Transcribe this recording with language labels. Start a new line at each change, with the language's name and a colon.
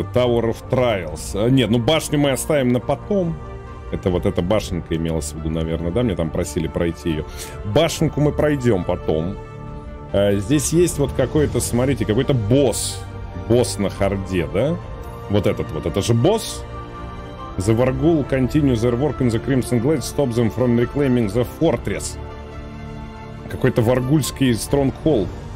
English: Tower of Trials.
Russian: Нет, ну башню мы оставим на потом. Это вот эта башенка имелась в виду, наверное, да? Мне там просили пройти ее. Башенку мы пройдем потом. Здесь есть вот какой-то, смотрите, какой-то босс. Босс на харде, да? Вот этот вот. Это же босс?
English: The Wargul continue their work in the Crimson Glade, stop them from reclaiming the fortress.
Russian: Какой-то варгульский стронгхолд.